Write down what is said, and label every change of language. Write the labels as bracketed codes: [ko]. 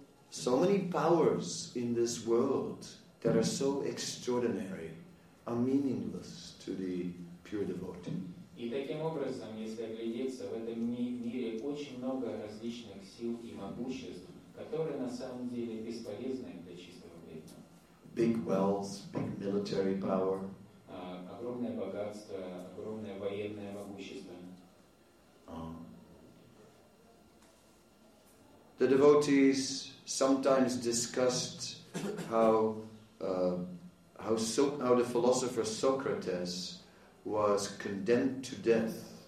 [en] So many powers in this world that are so extraordinary are meaningless to the pure devotee. [ru] И таким образом, если оглядеться в этом мире, очень много различных сил и могуществ, которые на самом деле бесполезны для чистого преданного. [en] Big wealth, big military power. [ru] Огромное богатство, огромное военное могущество. [en] The devotees sometimes discussed how the philosopher Socrates was condemned to death.